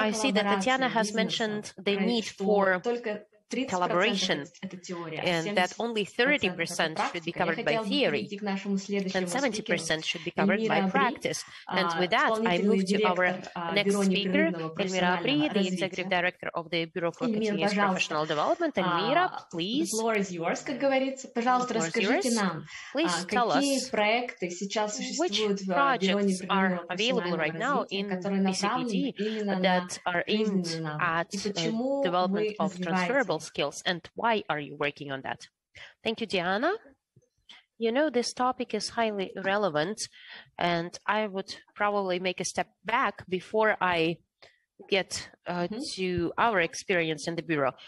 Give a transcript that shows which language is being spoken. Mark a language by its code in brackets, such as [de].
[en] I see that Татьяна has mentioned the need for collaboration, and that only 30% should be covered by theory, and 70% should be covered by practice. And with that, I move to our next speaker, Эльмира Обри, the Executive Director of the Bureau for Continuous Professional Development. Эльмира, please. The floor is yours, [ru] как говорится. Пожалуйста, расскажите нам, какие проекты сейчас существуют в Бюро непрерывного профессионального развития, которые направлены именно на [en] development of transferable skills, and why are you working on that? Thank you, Diana. You know, this topic is highly relevant, and I would probably make a step back before I get to our experience in the Bureau.